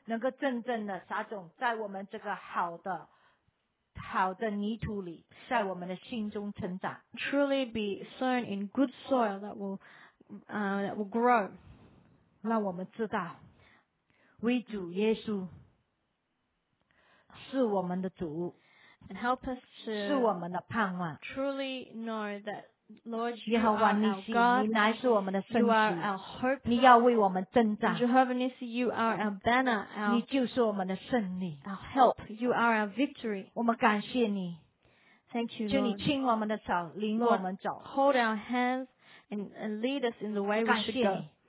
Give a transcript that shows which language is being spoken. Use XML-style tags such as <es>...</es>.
<zh>能够真正的撒种在我们这个好的好的泥土里在我们的心中成长</zh> <en>truly be sown in good soil that will grow</en> <zh>让我们知道唯主耶稣是我们的主</zh> <en>and help us to</en> <zh>是我们的盼望</zh> <en>truly know that Lord you are our God</en> <zh>你乃是我们的圣</zh> <en>主 you are our hope</en> <zh>你要为我们征战</zh> <en>Jehovah Nissi you are our banner our</en> <zh>你就是我们的胜利</zh> <en>our help you are our victory</en> <zh>我们感谢你</zh> <en>thank you Lord</en> <zh>就你亲我们的手领我们走</zh> <en>Lord, hold our hands and lead us in the way we should go</en>